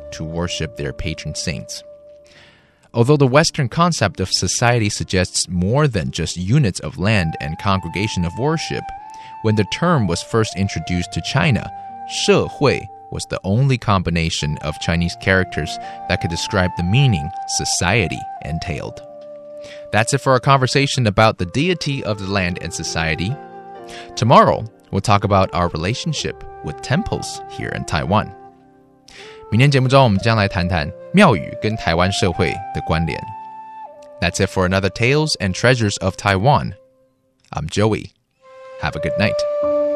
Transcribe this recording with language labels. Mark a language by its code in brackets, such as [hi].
[en] To worship their patron saints. Although the Western concept of society suggests more than just units of land and congregation of worship, when the term was first introduced to China, 社会 was the only combination of Chinese characters that could describe the meaning society entailed. That's it for our conversation about the deity of the land and society. Tomorrow, we'll talk about our relationship with temples here in Taiwan. [zh] 明天节目中，我们将来谈谈庙宇跟台湾社会的关联。 [en] That's it for another Tales and Treasures of Taiwan. I'm Joey. Have a good night.